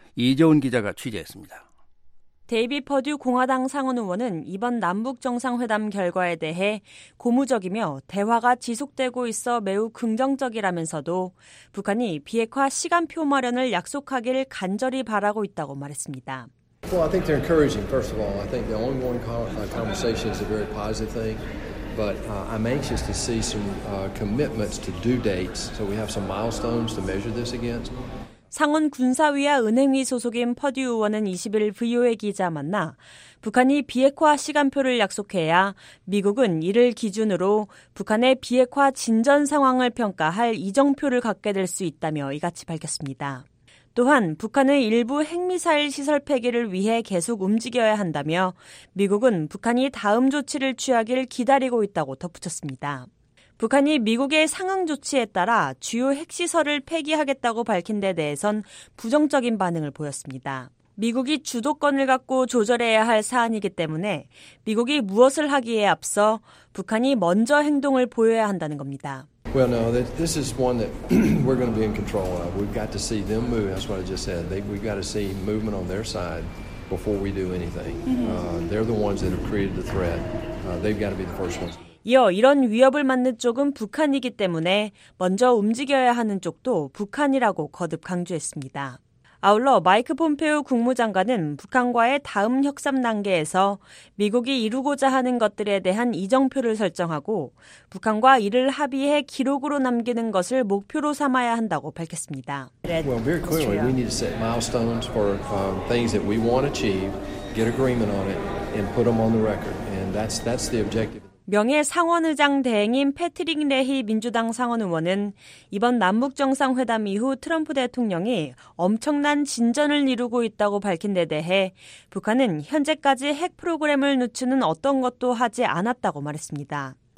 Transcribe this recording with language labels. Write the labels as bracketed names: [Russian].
[Korean] 이재훈 기자가 취재했습니다. 데이비 퍼듀 공화당 상원 의원은 이번 남북정상회담 결과에 대해 고무적이며 대화가 지속되고 있어 매우 긍정적이라면서도 북한이 비핵화 시간표 마련을 약속하길 간절히 바라고 있다고 말했습니다. [English] Well, I think they're encouraging, first of all. I think the ongoing conversation is a very positive thing. But I'm anxious to see some commitments to due dates so we have some milestones to measure this against. [Korean] 상원 군사위와 은행위 소속인 퍼듀 의원은 20일 VOA 기자 만나 북한이 비핵화 시간표를 약속해야 미국은 이를 기준으로 북한의 비핵화 진전 상황을 평가할 이정표를 갖게 될 수 있다며 이같이 밝혔습니다. 또한 북한의 일부 핵미사일 시설 폐기를 위해 계속 움직여야 한다며 미국은 북한이 다음 조치를 취하길 기다리고 있다고 덧붙였습니다. 북한이 미국의 상응 조치에 따라 주요 핵시설을 폐기하겠다고 밝힌 데 대해선 부정적인 반응을 보였습니다. 미국이 주도권을 갖고 조절해야 할 사안이기 때문에 미국이 무엇을 하기에 앞서 북한이 먼저 행동을 보여야 한다는 겁니다. [English] Well, no, this is one that we're going to be in control of. We've got to see them move. That's what I just said. We've got to see movement on their side before we do anything. They're the ones that have created the threat. They've got to be the first ones. [Korean] 이어 이런 위협을 맞는 쪽은 북한이기 때문에 먼저 움직여야 하는 쪽도 북한이라고 거듭 강조했습니다. 아울러 마이크 폼페오 국무장관은 북한과의 다음 협상 단계에서 미국이 이루고자 하는 것들에 대한 이정표를 설정하고 북한과 이를 합의해 기록으로 남기는 것을 목표로 삼아야 한다고 밝혔습니다. [English] Well, very clearly, we need to set milestones for things that we want to achieve, get agreement on it, and put them on the record. And that's the objective. [Korean] 명예 상원의장 대행인 패트릭 레히 민주당 상원 의원은 이번 남북정상회담 이후 트럼프 대통령이 엄청난 진전을 이루고 있다고 밝힌 데 대해 북한은 현재까지 핵 프로그램을 놓치는 어떤 것도 하지 않았다고 말했습니다.